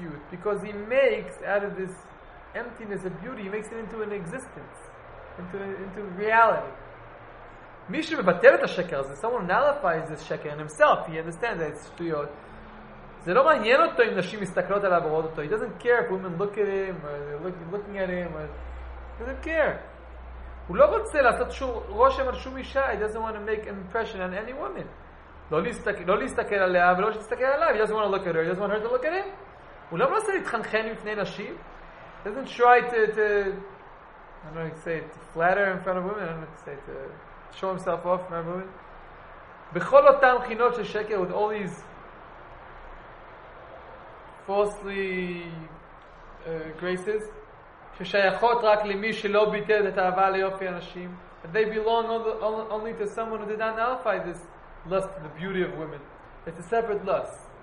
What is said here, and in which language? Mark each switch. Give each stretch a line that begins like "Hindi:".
English: Because he makes out of this emptiness of beauty, he makes it into an existence, into reality.
Hebrew: מי שמבטל את השקר הזה,
English: someone nullifies this שקר in himself, he understands that it's שטויות.
Hebrew: זה לא מעניין אותו אם נשים מסתכלות עליו ורואות אותו.
English: He doesn't care if women look at him, or they're looking at him, or... He doesn't care.
Hebrew: הוא לא רוצה לעשות רושם על שום אישה.
English: He doesn't want to make an impression on any woman.
Hebrew: לא להסתכל עליה ולא להסתכל עליו.
English: He doesn't want to look at her. He doesn't want her to look at him.
Hebrew: הוא לא מנסה להתחנחן בפני נשים.
English: He doesn't try to... I don't know how to say it. To flatter in front of women. I don't know how to say it. Show himself off, remember me?
Hebrew: בכל אותם חינות של שקר,
English: with all these falsely graces,
Hebrew: ששייכות רק למי שלא ביטל את האהבה ליופי אנשים,
English: and they belong only to someone who did not nullify this lust for the beauty of women. It's a separate lust.